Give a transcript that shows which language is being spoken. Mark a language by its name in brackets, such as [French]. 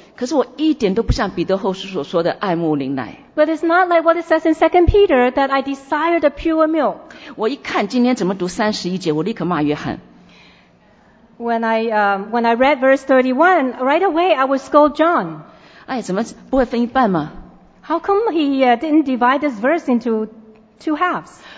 [Chinese] 可是我一点都不像彼得后书所说的爱慕灵奶。 [English] But it's not like what it says in 2 Peter that I desire the pure milk. [Chinese] 我一看今天怎么读31节，我立刻骂约翰。 [English] When I read verse 31, right away I would scold John. [Chinese] 哎，怎么不会分一半吗 [English] ？How come he didn't divide this verse into two halves?